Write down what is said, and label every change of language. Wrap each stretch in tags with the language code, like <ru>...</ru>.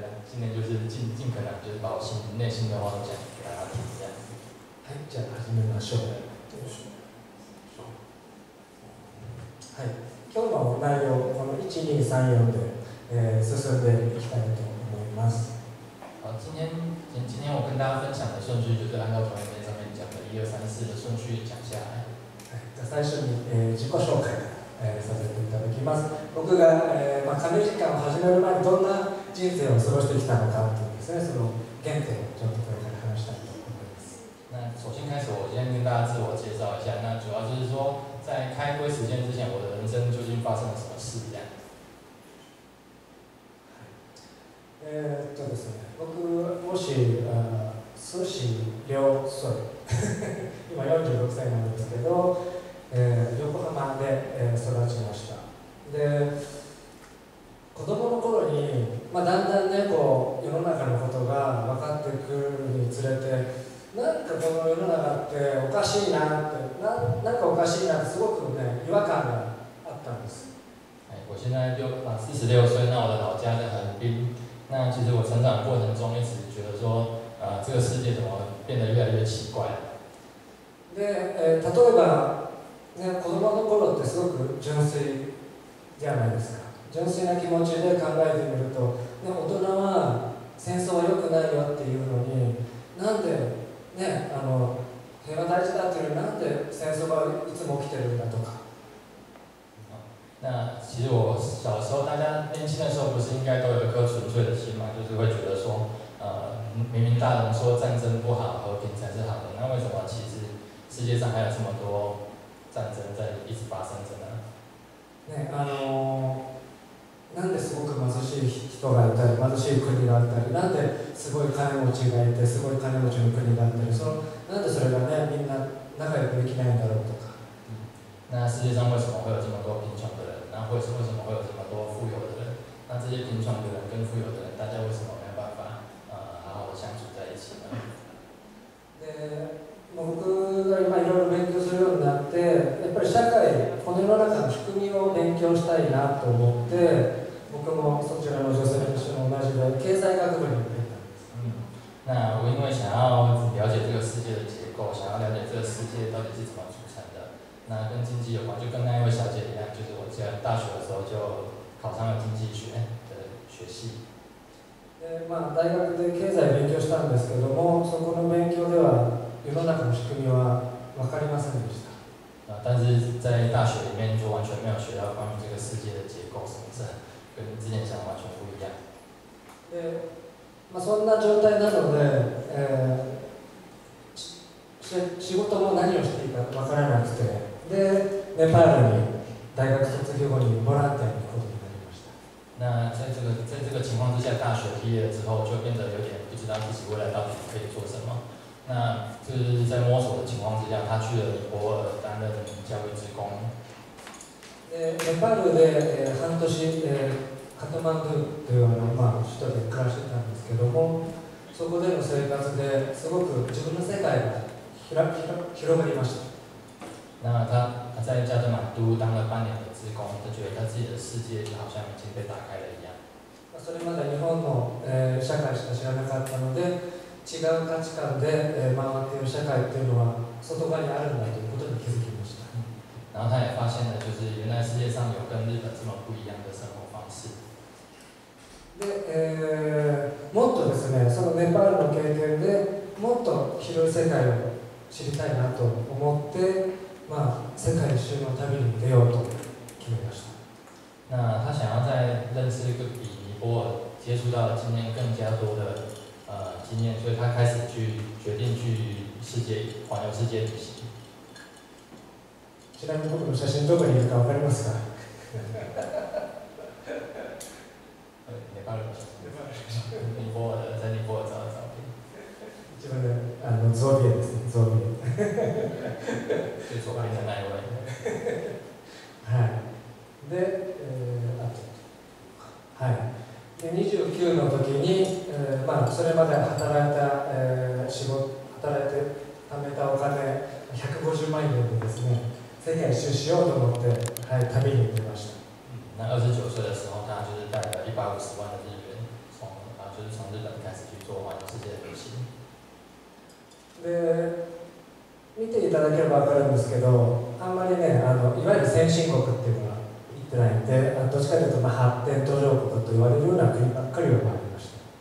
<zh>对的，今天就是尽可能就是把我心内心的话都讲给大家听这样子。</zh> <ja>はい、じゃあ始めましょう。どうしよう。はい、今日の内容この1234で進んでいきたいと思います。</ja> <zh>好，今天我跟大家分享的顺序就是按照同一面上面讲的一二三四的顺序讲下来。</zh> <ja>じゃ最初に自己紹介させていただきます。僕が金時間を始める前にどんな人生を過ごしてきたのかというですね、その原点をちょっとこれから話したいと思います。</ja> <zh>那首先开始，我先跟大家自我介绍一下。那主要就是说，在开龟时间之前，我的人生究竟发生了什么事这样。</zh> <ja>ですね、僕もし寿司両添い今46歳なんですけど、横浜で育ちました。で子供の頃に、だんだんねこう世の中のことが分かってくるにつれて、なんかこの世の中っておかしいなって なんかおかしいなってすごくね違和感があったんです。</ja> <zh>我现在就46岁，那我的老家在横滨。那其实我成长过程中一直觉得说，这个世界怎么变得越来越奇怪了。</zh> <ja>で、例えば、ね、子供の頃ってすごく純粋じゃないですか。純粋な気持ちで考えてみると、ね、大人は戦争は良くないよっていうのに、なんでね、平和大事だっていうのになんで戦争がいつも起きてるんだとか。</ja> <zh>那其实我小时候，大家年轻的时候不是应该都有一颗纯粹的心吗？就是会觉得说，明明大人说战争不好，和平才是好的，那为什么其实世界上还有这么多战争在一直发生着呢？</zh> <ja>ね、なんですごく貧しい人がいたり、貧しい国があったり、なんですごい金持ちがいて、すごい金持ちの国があったり、そのなんでそれがね、みんな仲良くできないんだろうとか。</ja> <zh>那世界上为什么会有这么多贫穷的人？会是为什么会有这么多富有的人？那这些贫穷的人跟富有的人，大家为什么没有办法好好的相处在一起呢？</zh> <ja>僕が今いろいろ勉強するようになって、やっぱり社会、この世の中の仕組みを勉強したいなと思って、僕もそちらの女性の人も同じで経済学部に入ったんです。</ja> <zh>那我因为想要了解这个世界的结构，想要了解这个世界到底是怎么组成的，那跟经济有关，就跟那一位小姐一样，就是我在大学的时候就考上了经济学的学系。</zh> <ja>まあ、大学で経済勉強したんですけども、そこの勉強では世の中の仕組みは分かりませんでした。</ja> <zh>但是在大学里面就完全没有学到关于这个世界的结构什么的，跟之前想的完全不一样。</zh> <ja>で、まあ、そんな状態なので、仕事も何をしていいか分からなくて、で、ネパールに大学卒業後にボランティアに行くことになりました。</ja> <zh>那在这个情况之下，大学毕业之后就变得有点不知道自己未来到底可以做什么。那就是在摸索的情况之下，他去了尼泊尔担任教育职工。</zh> <ja>ネパールで半年、カトマンドゥというあのまあ首都で暮らしてたんですけども、そこでの生活ですごく自分の世界が広がりました。</ja> <zh>那他在加德满都当了半年的职工，他觉得他自己的世界就好像已经被打开了一样。</zh> <ja>それまで日本の社会しか知らなかったので。違う価値観で回っている社会というのは外側にあるんだということに気づきました。</ja> <zh>然后他也发现了，就是原来世界上有跟日本这么不一样的生活方式。</zh> <ja>で、もっとですね、そのネパールの経験でもっと広い世界を知りたいなと思って、まあ世界一周の旅に出ようと決めました。</ja> <zh>那他想要再认识一个比尼泊尔接触到今年更加多的。经验，所以他开始去决定去世界环游世界旅行。</zh> <ja>ちなみに僕の写真どこにいるかわかりますか？ネパールの写真。</ja> <zh>尼泊尔在尼泊尔照的照片。</zh> <ja>一番的あのゾビエですね、ゾビエ。</ja> <zh>最左边的那一位。</zh> <ja>はい。で、あと、はい。 29の時に、まあ、それまで働いた、仕事、働いて貯めたお金、150万円でですね、世界一周しようと思って、はい、旅に行きました。</ja> <zh>那29歳的时候、他就是带了150万的日元、从、就是从日本开始去做环游世界旅行。</zh> <ja>で、見ていただければ分かるんですけど、あんまりね、あの、いわゆる先進国っていうのは、どっちかというと、まあ、発展途上国と言われるような国ばっかりを回りました。</ja>